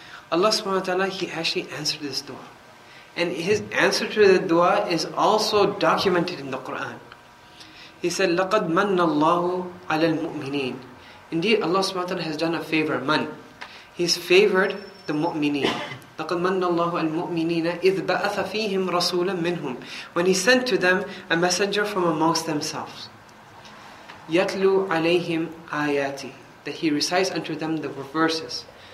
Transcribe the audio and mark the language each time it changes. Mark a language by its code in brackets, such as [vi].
[en] Allah subhanahu wa ta'ala, he actually answered this dua. And his answer to the dua is also documented in the Quran. He said, [ar] لَقَدْ مَنَّ اللَّهُ عَلَى الْمُؤْمِنِينَ. [en] Indeed, Allah subhanahu wa ta'ala has done a favor, man. He's favored the mu'mineen. [ar] لَقَدْ مَنَّ اللَّهُ عَلَى الْمُؤْمِنِينَ إِذْ بَأَثَ فِيهِمْ رَسُولًا مِّنْهُمْ. [en] When he sent to them a messenger from amongst themselves. [ar] يَتْلُوا عَلَيْهِمْ آيَاتِ. [en] That he recites unto them the verses.